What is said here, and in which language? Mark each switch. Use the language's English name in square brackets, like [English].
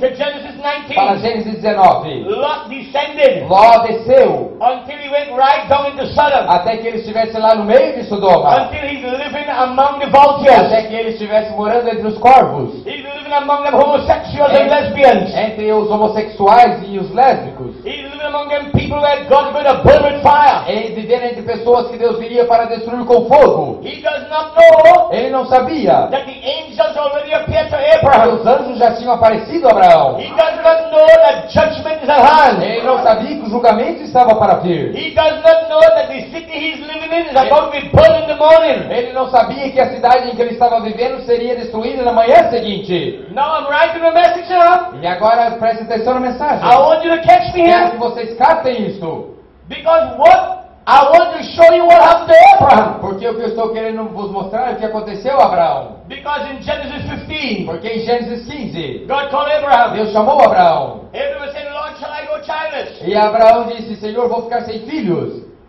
[English] to Genesis 19, [Portuguese] para Gênesis 19. [English] Lot descended, [Portuguese] Ló desceu. [English] Until he went right down into Sodom, [Portuguese] até que ele estivesse lá no meio de Sodoma. [English] Until he's living among the vultures, [Portuguese] até que ele estivesse morando entre os corvos. [English] He's living among the homosexuals and lesbians, [Portuguese] entre os homossexuais e os lésbicos. [English] He's living among them people that God is going to burn with fire. [Portuguese] Ele vivendo entre pessoas que Deus viria para destruir com fogo. [English] He does not know. [Portuguese] Ele não sabia [English] that the angels already appeared to Abraham. [Portuguese] Os anjos já tinham aparecido a Abraão. [English] He does not know that judgment is at hand. [Portuguese] Ele não sabia que o julgamento estava para vir. [English] He does not know that the city he's living in is about to be burned in the morning. [Portuguese] Ele não sabia que a cidade em que ele estava vivendo seria destruída na manhã seguinte. [English] Now I'm writing a message now. [Portuguese] E agora preste atenção na mensagem. [English] I want you to catch me here. [Portuguese] Quero que vocês captem isso. [English] Because what I want to show you what happened to Abraham. [Portuguese] Porque o que eu estou querendo vos mostrar é o que aconteceu a Abraão. [English] Because in Genesis 15. [Portuguese] Porque em Gênesis 15. [English] God called Abraham. [Portuguese] Deus chamou Abraão. [English] Abraham said, Lord, shall I go childless? [Portuguese] E Abraão disse, Senhor, vou ficar sem filhos.